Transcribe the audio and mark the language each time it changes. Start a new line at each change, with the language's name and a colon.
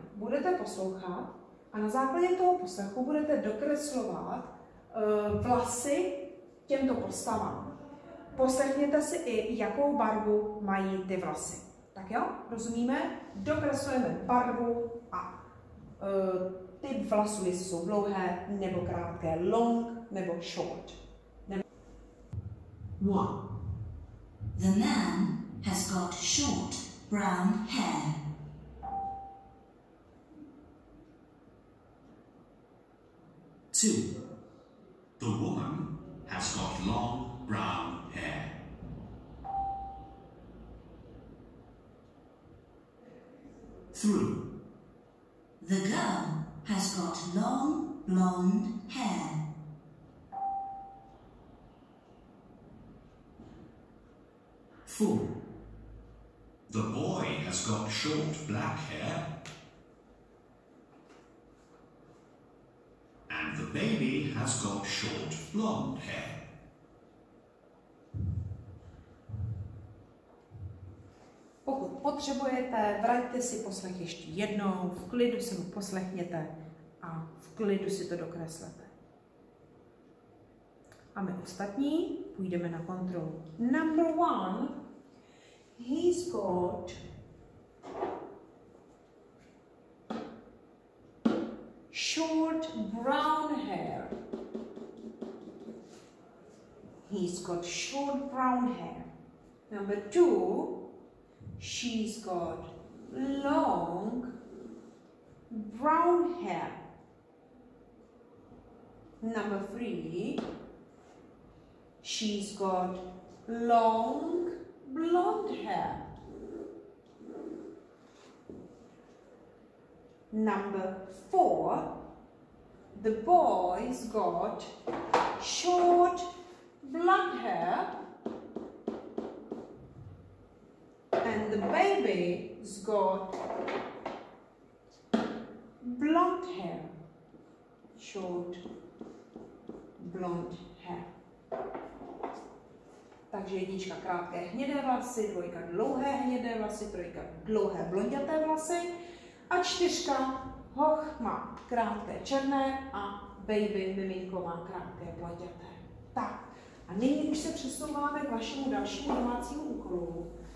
Czech: Budete poslouchat a na základě toho poslechu budete dokreslovat vlasy těmto postavám. Poslechněte si i, jakou barvu mají ty vlasy. Tak jo, rozumíme? Dokreslujeme barvu a typ vlasů, jestli jsou dlouhé nebo krátké, long nebo short.
English: The man has got short brown hair. Two. The woman has got long brown hair. Three. The girl has got long blonde hair. Four. The boy has got short black hair. The baby has got short blonde hair.
Czech: Pokud potřebujete, vraťte si poslech ještě jednou, v klidu si ho poslechněte a v klidu si to dokreslete. A my ostatní půjdeme na kontrolu.
English: Number one, he's got short brown hair. He's got short brown hair. Number two, she's got long brown hair. Number three, she's got long blonde hair. Number four, the boy's got short blonde hair and the baby's got blonde hair, short blonde hair.
Czech: Takže jednička krátké hnědé vlasy, dvojka dlouhé hnědé vlasy, trojka dlouhé blonděté vlasy a čtyřka hoch má krátké černé a baby miminko má krátké blonděté. Tak a nyní už se přesouváme k vašemu dalšímu domácímu úkolu.